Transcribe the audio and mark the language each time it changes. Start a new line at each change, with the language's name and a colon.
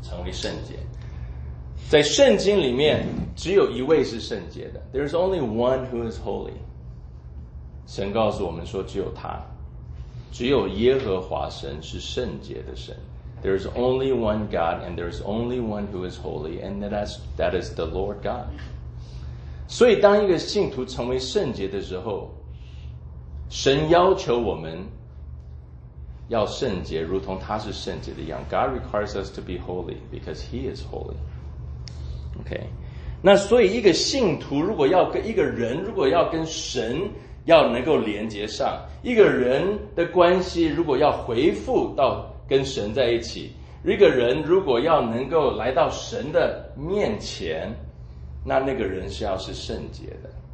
Chinese: 圣洁，在圣经里面只有一位是圣洁的。
English: There is only one who is holy。
Chinese: 神告诉我们说只有他，只有耶和华神是圣洁的神。
English: There is only one God and there is only one who is holy and that is the Lord God。
Chinese: 所以当一个信徒成为圣洁的时候，神要求我们要圣洁，如同他是圣洁的一样。
English: God requires us to be holy because he is holy。
Chinese: OK， 那所以一个信徒如果要跟一个人如果要跟神要能够连接上，一个人的关系如果要回复到跟神在一起，一个人如果要能够来到神的面前，那个人是要是圣洁的。